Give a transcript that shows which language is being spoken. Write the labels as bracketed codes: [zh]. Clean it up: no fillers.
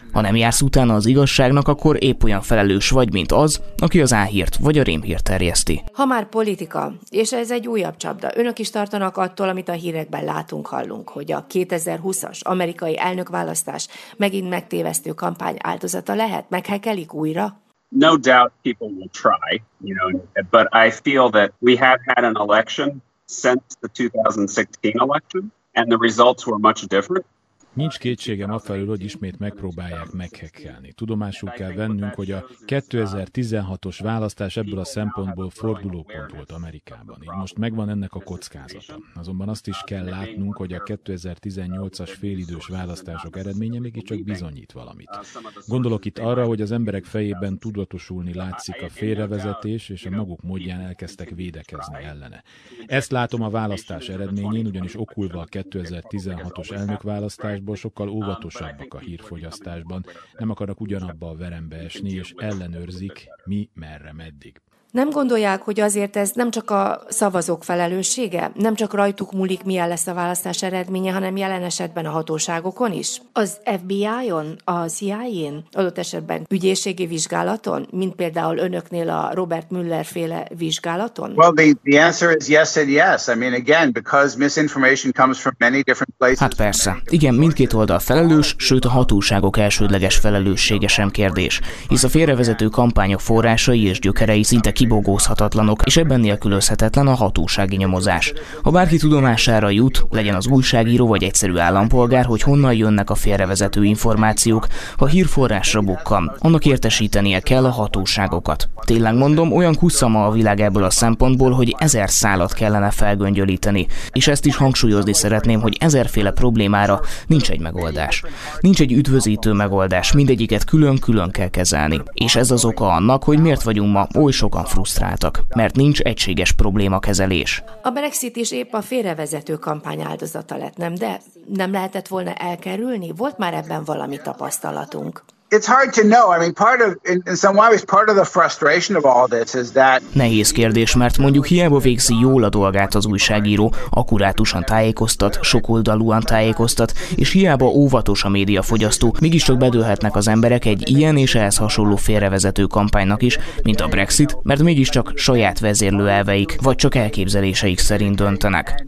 [hu] Ha nem jársz utána az igazságnak, akkor épp olyan felelős vagy, mint az, aki az álhírt vagy a rémhírt terjeszti. Ha már politika, és ez egy újabb csapda, önök is tartanak attól, amit a hírekben látunk, hallunk, hogy a 2020-as amerikai elnökválasztás megint megtévesztő kampány áldozata lehet, meghekelik újra? [en] No doubt people will try, you know, but I feel that we have had an election since the 2016 election, and the results were much different. [hu] Nincs kétségem afelől, hogy ismét megpróbálják meghekkelni. Tudomásul kell vennünk, hogy a 2016-os választás ebből a szempontból fordulópont volt Amerikában. Így most megvan ennek a kockázata. Azonban azt is kell látnunk, hogy a 2018-as félidős választások eredménye mégiscsak bizonyít valamit. Gondolok itt arra, hogy az emberek fejében tudatosulni látszik a félrevezetés, és a maguk módján elkezdtek védekezni ellene. Ezt látom a választás eredményén, ugyanis okulva a 2016-os elnökválasztás, sokkal óvatosabbak a hírfogyasztásban, nem akarnak ugyanabba a verembe esni, és ellenőrzik, mi merre meddig. Nem gondolják, hogy azért ez nem csak a szavazók felelőssége, nem csak rajtuk múlik, milyen lesz a választás eredménye, hanem jelen esetben a hatóságokon is? Az FBI-on, a CIA-n, adott esetben ügyészségi vizsgálaton, mint például önöknél a Robert Mueller féle vizsgálaton? [en] Well, the answer is yes and yes. I mean, again, because misinformation comes from many different places. [hu] Hát persze. Igen, mindkét oldal felelős, sőt a hatóságok elsődleges felelőssége sem kérdés. Hisz a félrevezető kampányok forrásai és gyökerei szinte kibogózhatatlanok, és ebben nélkülözhetetlen a hatósági nyomozás. Ha bárki tudomására jut, legyen az újságíró vagy egyszerű állampolgár, hogy honnan jönnek a félrevezető információk, ha hírforrásra bukkan, annak értesítenie kell a hatóságokat. Tényleg mondom, olyan kusszama a világ ebből a szempontból, hogy ezer szálat kellene felgöngyölíteni, és ezt is hangsúlyozni szeretném, hogy ezerféle problémára nincs egy megoldás. Nincs egy üdvözítő megoldás, mindegyiket külön-külön kell kezelni. És ez az oka annak, hogy miért vagyunk ma oly sokan frusztráltak, mert nincs egységes problémakezelés. A Brexit is épp a félrevezető kampány áldozata lett, nem? De nem lehetett volna elkerülni? Volt már ebben valami tapasztalatunk? [en] It's hard to know. I mean, part of, in some ways, part of the frustration of all this is that. [hu] Nehéz kérdés, mert mondjuk hiába végzi jól a dolgát az újságíró, akkurátusan tájékoztat, sokoldalúan tájékoztat, és hiába óvatos a médiafogyasztó, mégiscsak bedőlhetnek az emberek egy ilyen és ehhez hasonló félrevezető kampánynak is, mint a Brexit, mert mégiscsak saját vezérlő elveik, vagy csak elképzeléseik szerint döntenek.